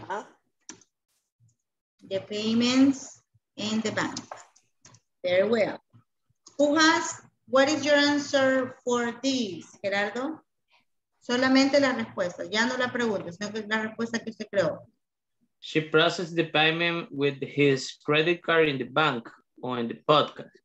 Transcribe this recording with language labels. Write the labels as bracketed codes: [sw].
[en] Uh-huh. The payments in the bank. Very well. Who has, what is your answer for this, Gerardo? [es] Solamente la respuesta, ya no la pregunta, sino que la respuesta que usted creó. [en] She processed the payment with his credit card in the bank or in the podcast.